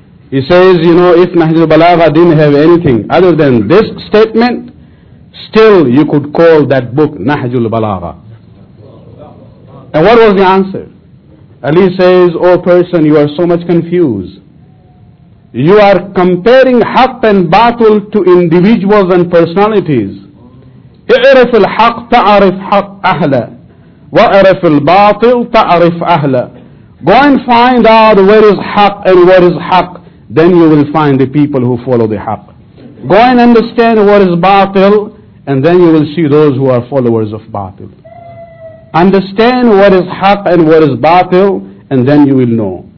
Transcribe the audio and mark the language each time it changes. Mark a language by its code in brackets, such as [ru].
[en] He says, you know, if Nahj al-Balagha didn't have anything other than this statement, still you could call that book Nahj al-Balagha. And what was the answer? Ali says, O person, you are so much confused. You are comparing haqq and batil to individuals and personalities. [ar] اعرف الحق تعرف حق أهله وعرف الباطل تعرف أهله. [en] Go and find out where is haqq and where is haqq. Then you will find the people who follow the haqq. Go and understand what is batil, and then you will see those who are followers of batil. Understand what is haqq and what is batil, and then you will know.